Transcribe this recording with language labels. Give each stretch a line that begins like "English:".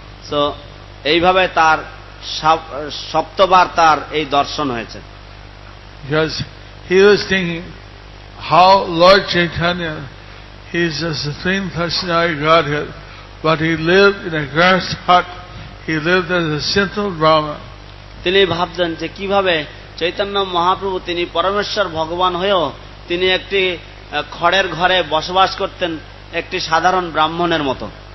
Bangla: So এইভাবে তার সপ্তবার তার এই দর্শন হয়েছে।
English: He was thinking how Lord Chaitanya, he is a Supreme Personality Godhead, but he lived in a grass hut. He lived as a simple Brahma.
Bangla: তিনি ভাবতেন যে কিভাবে চৈতন্য মহাপ্রভু তিনি পরমেশ্বর ভগবান হয়েও তিনি একটি খড়ের ঘরে বসবাস করতেন একটি সাধারণ ব্রাহ্মণের মতো।